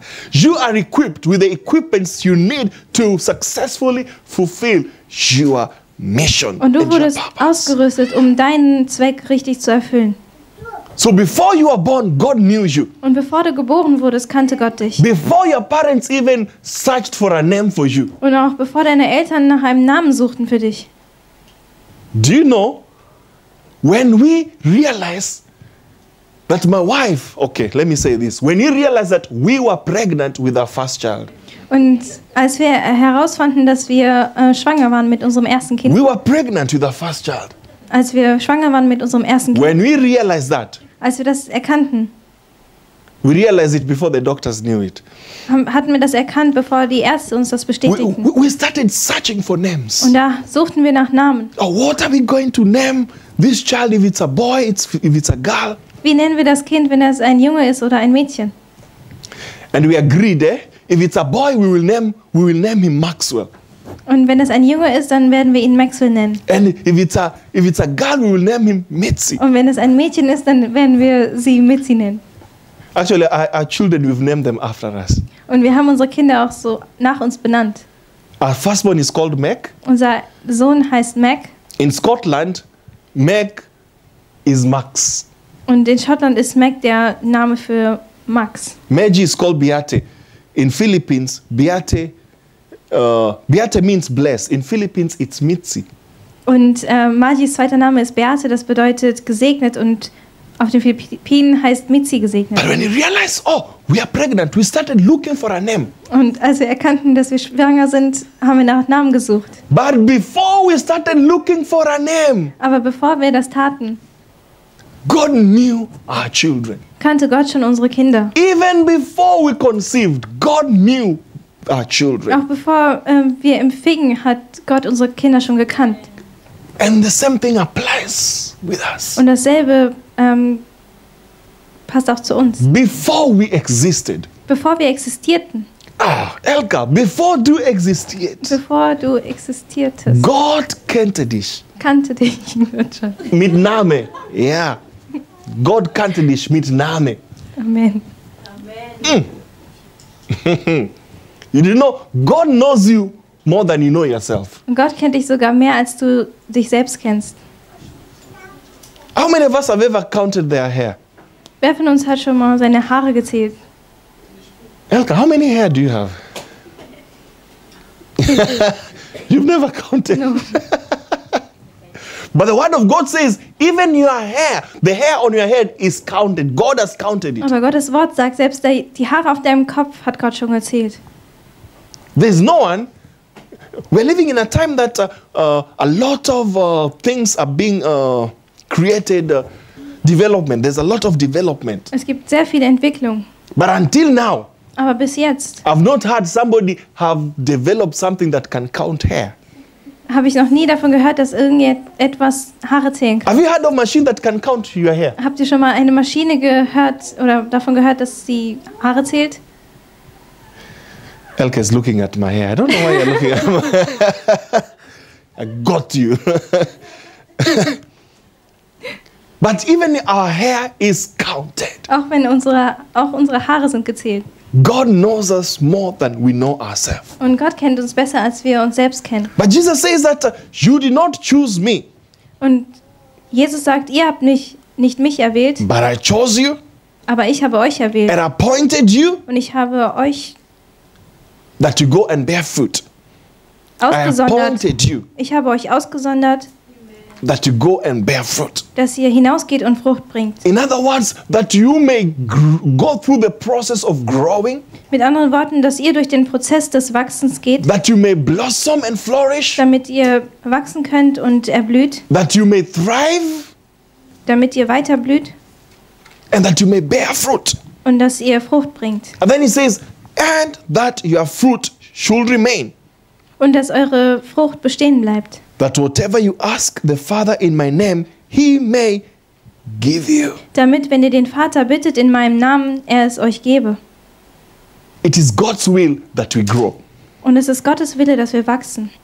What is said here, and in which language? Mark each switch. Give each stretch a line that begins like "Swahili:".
English: You are equipped with the equipments you need to successfully fulfill your mission.
German: Und du wurdest ausgerüstet, um deinen Zweck richtig zu erfüllen.
English: So before you were born, God knew you.
German: Und bevor du geboren wurdest, kannte Gott dich.
English: Before your parents even searched for a name for you.
German: Und auch bevor deine Eltern nach einem Namen suchten für dich.
English: Do you know, when we realize that my wife, okay, let me say this, when you realize that we were pregnant with our first child.
German: Und als wir herausfanden, dass wir schwanger waren mit unserem ersten Kind.
English: We were pregnant with our first child.
German: Als wir schwanger waren mit unserem ersten Kind.
English: When we realized that.
German: Als wir das erkannten.
English: We realized it before the doctors knew it.
German: Hatten wir das erkannt, bevor die Ärzte uns das bestätigten.
English: We started searching for names.
German: Und da suchten wir nach Namen.
English: Oh, what are we going to name this child if it's a boy, if it's a girl?
German: Wie nennen wir das Kind, wenn es ein Junge ist oder ein Mädchen?
English: And we agreed, eh? If it's a boy, we will name him Maxwell.
German: Und wenn es ein Junge ist, dann werden wir ihn Maxwell nennen.
English: And if it's a girl, we will name him Mitzi.
German: Und wenn es ein Mädchen ist, dann werden wir sie Mitzi nennen.
English: Actually, our children, we've named them after us.
German: Und wir haben unsere Kinder auch so nach uns benannt.
English: Our firstborn is called Mac.
German: Unser Sohn heißt Mac.
English: In Scotland, Mac is Max.
German: Und in Schottland ist Mac der Name für Max.
English: Meggie is called Beate. In Philippines, Beate. Beate means bless. In Philippines, it's Mitzi.
German: Und Margis zweiter Name ist Beate, das bedeutet gesegnet. Und auf den Philippinen heißt Mitzi gesegnet.
English: But when you realize, oh, we are pregnant, we started looking for a name.
German: Und als wir erkannten, dass wir schwanger sind, haben wir nach Namen gesucht.
English: But before we started looking for a name.
German: Aber bevor wir das taten.
English: God knew our children.
German: Kannte Gott schon unsere Kinder.
English: Even before we conceived, God knew our children.
German: Auch bevor wir empfingen, hat Gott unsere Kinder schon gekannt.
English: And the same thing applies with us.
German: Und dasselbe passt auch zu uns.
English: Before we existed.
German: Bevor wir existierten.
English: Ah, Elka, before you existed.
German: Bevor du existiertest. God kannte dich. Kannte dich schon. Mit Name, yeah. God kannte dich mit Name. Amen. Amen. Mm.
English: You didn't know? God knows you more than you know yourself.
German: Gott kennt dich sogar mehr, als du dich selbst kennst.
English: How many of us have ever counted their hair?
German: Wer von uns hat schon mal seine Haare gezählt?
English: Elka, how many hair do you have? You've never counted. No. But the word of God says, even your hair, the hair on your head is counted. God has counted it.
German: Aber Gottes Wort sagt, selbst die Haare auf deinem Kopf hat Gott schon gezählt.
English: There's no one. We're living in a time that a lot of things are being created, development. There's a lot of development.
German: Es gibt sehr viel Entwicklung.
English: But until now,
German: aber bis jetzt,
English: I've not heard somebody have developed something that can count hair.
German: Habe ich noch nie davon gehört, dass irgendetwas Haare zählen kann.
English: Have you heard of a machine that can count your hair?
German: Habt ihr schon mal eine Maschine gehört oder davon gehört, dass sie Haare zählt?
English: Elke is looking at my hair. I don't know why you're looking at my hair. I got you. But even our hair is counted.
German: Auch wenn unsere Haare sind gezählt.
English: God knows us more than we know ourselves.
German: Und Gott kennt uns besser, als wir uns selbst kennen.
English: But Jesus says that you did not choose me.
German: Und Jesus sagt, ihr habt nicht mich erwählt.
English: But I chose you.
German: Aber ich habe euch erwählt.
English: And appointed you.
German: Und ich habe euch.
English: That you go and bear fruit.
German: Ausgesondert.
English: I appointed you.
German: Ich habe euch ausgesondert.
English: That you go and bear fruit.
German: Dass ihr hinausgeht und Frucht bringt.
English: In other words, that you may go through the process of growing.
German: Mit anderen Worten, dass ihr durch den Prozess des Wachsens geht.
English: That you may blossom and flourish.
German: Damit ihr wachsen könnt und erblüht.
English: That you may thrive.
German: Damit ihr weiter blüht.
English: And that you may bear fruit.
German: Und dass ihr Frucht bringt.
English: And then he says, and that your fruit should remain.
German: Und dass eure Frucht bestehen bleibt.
English: That whatever you ask the Father in my name, he may give you.
German: Damit, wenn ihr den Vater bittet in meinem Namen, er es euch gebe.
English: It is God's will that we grow.
German: Und es ist Gottes Wille, dass wir wachsen.